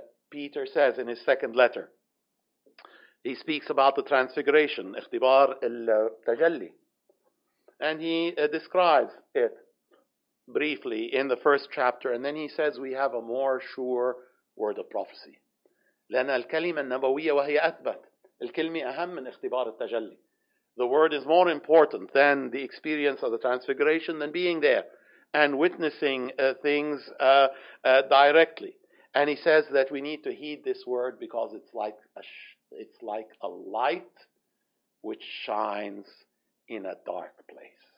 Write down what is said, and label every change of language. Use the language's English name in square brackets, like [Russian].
[English] Peter says in his second letter, he speaks about the transfiguration, [Arabic] اختبار التجلي. [English] And he describes it briefly in the first chapter. And then he says, we have a more sure word of prophecy. [Arabic] لأن الكلمة النبوية وهي أثبت. الكلمة أهم من اختبار التجلي. [English] The word is more important than the experience of the transfiguration, than being there and witnessing things directly. And he says that we need to heed this word because it's like a light which shines in a dark place.